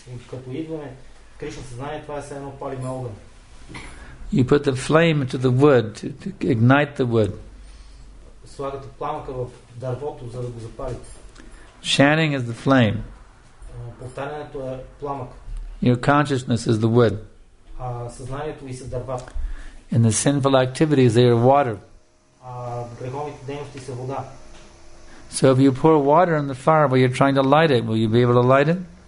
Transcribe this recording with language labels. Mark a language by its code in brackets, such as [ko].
[bg] Като идваме Кришна съзнание, това е все едно палим огън. [en] You put the flame into the wood to ignite the wood. [bg] Слагате пламъка в дървото, за да го запалите. [en] Chanting is the flame. [bg] Повтарянето е пламък. [en] Your consciousness is the wood. [bg] А съзнанието ви са дърва. [en] And the sinful activities, they are water. [bg] А греховните дейности са вода. [en] So if you pour water on the fire while you're trying to light it, will you be able to light it?